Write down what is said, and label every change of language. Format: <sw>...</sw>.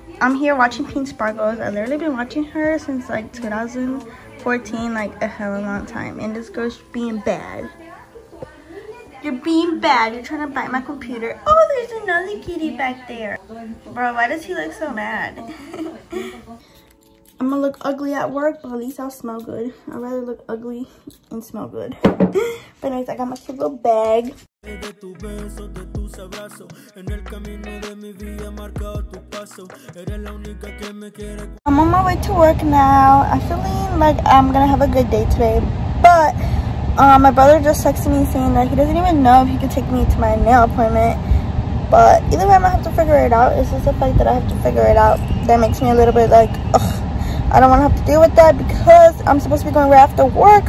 <en>I'm here watching Pink Sparkles. I've literally been watching her since like 2014, like a hell of a long time, and this girl's being bad. You're being bad. You're trying to bite my computer. Oh, there's another kitty back there. Bro, why does he look so mad? I'm gonna look ugly at work, but at least I'll smell good. I'd rather look ugly and smell good. But anyways, I got my cute little bag.</en> <es>De tus besos, de tus abrazos, en el camino de mi vida marcado tu paso. Eres la única que me quiere.</es> <en>I'm on my way to work now. I'm feeling like I'm gonna have a good day today, but my brother just texted me saying that he doesn't even know if he could take me to my nail appointment. But either way, I'm gonna have to figure it out. It's just the fact that I have to figure it out that makes me a little bit like, ugh, I don't want to have to deal with that, because I'm supposed to be going right after work.</en>